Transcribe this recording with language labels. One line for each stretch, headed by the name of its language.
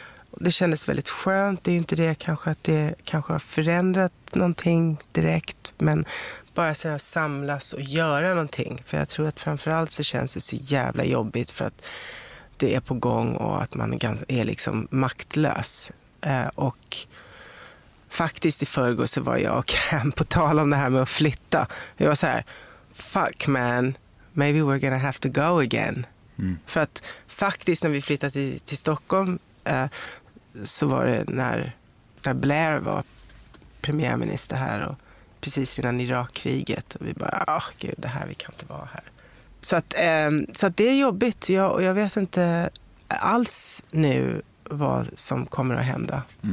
Swedish: Det kändes väldigt skönt. Det är ju inte det kanske, att det kanske har förändrat någonting direkt, men bara så här samlas och göra någonting. För jag tror att framförallt så känns det så jävla jobbigt, för att det är på gång och att man är liksom maktlös. Och faktiskt i förrgår så var jag och Cam, på tal om det här med att flytta, jag var så här,
English: fuck man, maybe we're gonna have to go again.
Swedish: För att faktiskt när vi flyttade till Stockholm så var det när Blair var premiärminister här och precis innan Irakkriget, och vi bara, åh gud, det här, vi kan inte vara här. Så att det är jobbigt, och jag vet inte alls nu vad som kommer att hända. Mm.